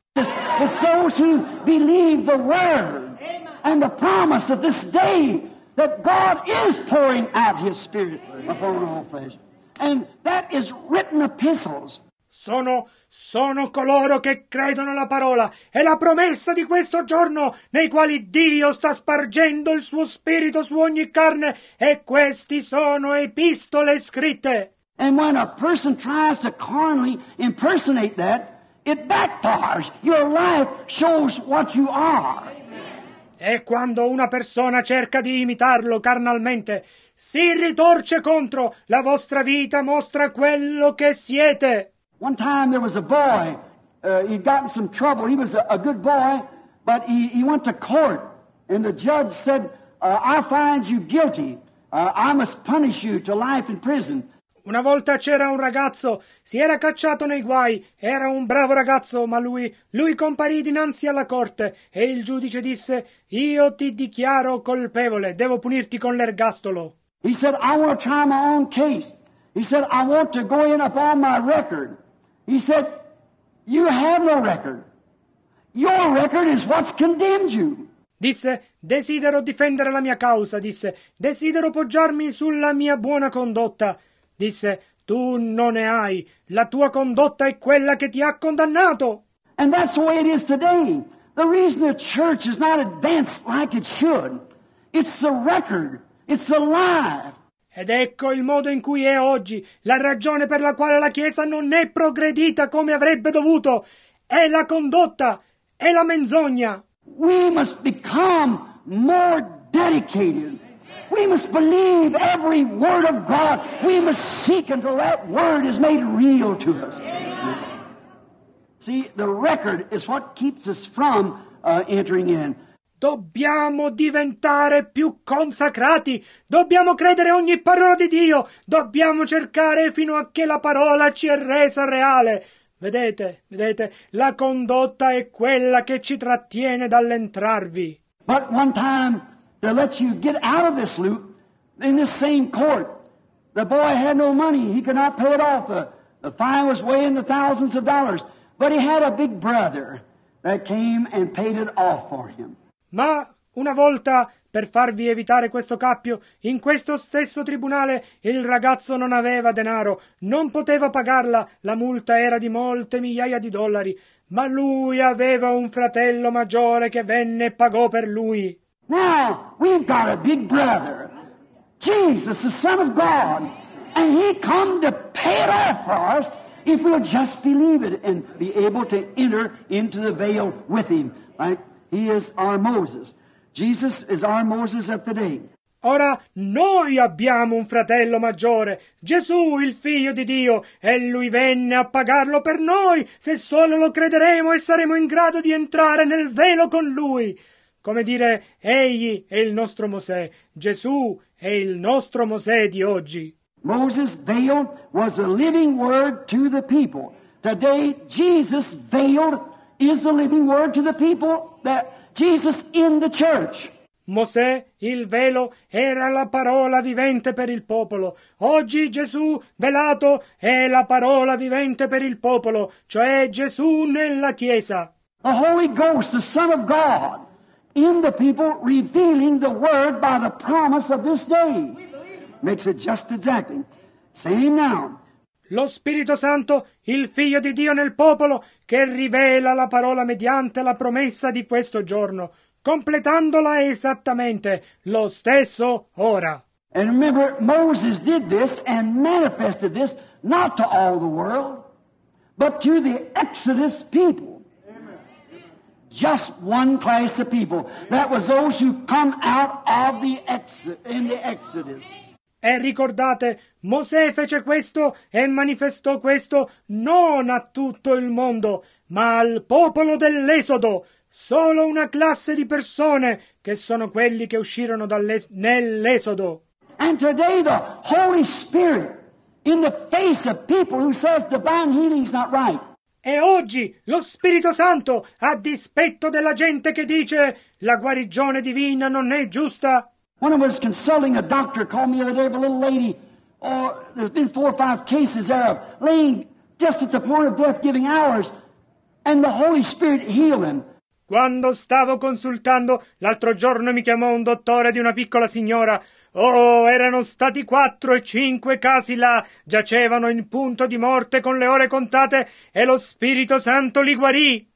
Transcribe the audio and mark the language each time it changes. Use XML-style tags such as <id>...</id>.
<en>It's those who believe the word and the promise of this day that God is pouring out his spirit upon all flesh. And that is written epistles.</en> <it>Sono coloro che credono la parola e la promessa di questo giorno, nei quali Dio sta spargendo il suo spirito su ogni carne, e questi sono epistole scritte.</it> <en>And when a person tries to carnally impersonate that, it backfires. Your life shows what you are. Amen.</en> <it>E quando una persona cerca di imitarlo carnalmente, si ritorce contro. La vostra vita mostra quello che siete.</it> <en>One time there was a boy he'd gotten some trouble. He was a good boy, but he went to court, and the judge said, I find you guilty. I must punish you to life in prison.</en> <it>Una volta c'era un ragazzo, si era cacciato nei guai, era un bravo ragazzo, ma lui comparì dinanzi alla corte e il giudice disse, io ti dichiaro colpevole, devo punirti con l'ergastolo.</it> <en>He said, I want to try my own case. He said, I want to go in upon my record. He said, you have no record. Your record is what's condemned you.</en> <it>Disse, desidero difendere la mia causa, disse, desidero poggiarmi sulla mia buona condotta. Disse, tu non ne hai, la tua condotta è quella che ti ha condannato.</it> <en>And that's the way it is today. The reason the church is not advanced like it should, it's the record, it's the life.</en> <it>Ed ecco il modo in cui è oggi, la ragione per la quale la Chiesa non è progredita come avrebbe dovuto, è la condotta, è la menzogna.</it> <en>We must become more dedicated. We must believe every word of God. We must seek until that word is made real to us. See, the record is what keeps us from entering in.</en> <it>Dobbiamo diventare più consacrati. Dobbiamo credere ogni parola di Dio. Dobbiamo cercare fino a che la parola ci è resa reale. Vedete, la condotta è quella che ci trattiene dall'entrarvi.</it> <en>But one time, to let you get out of this loop, in this same court, the boy had no money, he could not pay it off. The fine was weighing the thousands of dollars. But he had a big brother that came and paid it off for him.</en> <it>Ma una volta, per farvi evitare questo cappio, in questo stesso tribunale il ragazzo non aveva denaro, non poteva pagarla, la multa era di molte migliaia di dollari, ma lui aveva un fratello maggiore che venne e pagò per lui.</it> <en>Now, we've got a big brother, Jesus, the Son of God, and he come to pay it off for us if we'll just believe it and be able to enter into the veil with him, right? He is our Moses. Jesus is our Moses of today.</en> <it>Ora noi abbiamo un fratello maggiore, Gesù, il figlio di Dio, e lui venne a pagarlo per noi, se solo lo crederemo e saremo in grado di entrare nel velo con lui. Come dire, egli è il nostro Mosè, Gesù è il nostro Mosè di oggi.</it> <en>Moses' veil was a living word to the people. Today, Jesus' veil is the living word to the people, that Jesus in the church.</en> <it>Mosè, il velo, era la parola vivente per il popolo. Oggi Gesù, velato, è la parola vivente per il popolo, cioè Gesù nella Chiesa.</it> <en>The Holy Ghost, the Son of God, in the people, revealing the word by the promise of this day. Makes it just exactly. Same now.</en> <it>Lo Spirito Santo, il Figlio di Dio nel popolo, che rivela la parola mediante la promessa di questo giorno, completandola esattamente lo stesso ora.</it> <en>And remember, Moses did this and manifested this not to all the world, but to the Exodus people. Amen. Just one class of people. That was those who come out of the Exodus.</en> <it>E ricordate, Mosè fece questo e manifestò questo non a tutto il mondo, ma al popolo dell'Esodo, solo una classe di persone che sono quelli che uscirono nell'Esodo.</it> <en>And today the Holy Spirit, in the face of people who says divine healing's not right.</en> <it>E oggi lo Spirito Santo, a dispetto della gente che dice la guarigione divina non è giusta.</it> <en>When I was consulting a doctor, called me the other day, a little lady, there's been four or five cases there of laying just at the point of death, giving hours, and the Holy Spirit healing.</en> <it>Quando stavo consultando, l'altro giorno mi chiamò un dottore di una piccola signora. Oh, erano stati 4 o 5 casi là, giacevano in punto di morte con le ore contate, e lo Spirito Santo li guarì.</it>